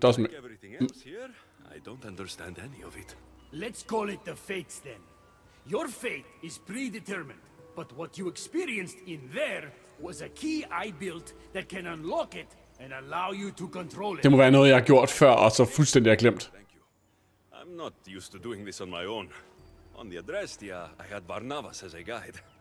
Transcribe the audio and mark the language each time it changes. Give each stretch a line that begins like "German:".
English: I don't understand any of it. Let's call it the fates then. Your fate is predetermined, but what you experienced in there was a key I built that can unlock it. And allow you to control it.
Danish: Det må være noget, jeg har gjort før, og så fuldstændig har glemt.
English: I'm not used to doing this on my own. On the address, I had Barnabas as a guide.